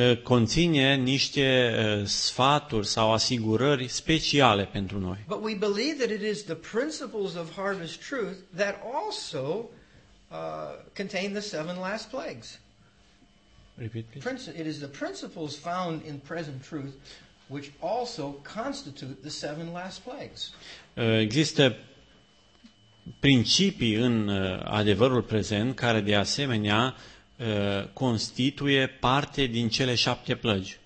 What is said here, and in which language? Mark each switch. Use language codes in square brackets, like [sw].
[ro] Conține niște sfaturi sau asigurări speciale pentru noi. [en] But we believe that it is the principles of harvest truth that also contain the seven last plagues. Repeat, please. It is the principles found in present truth which also constitute the seven last plagues. [ro] Există principii în adevărul prezent care de asemenea constituie parte din cele șapte plăgi.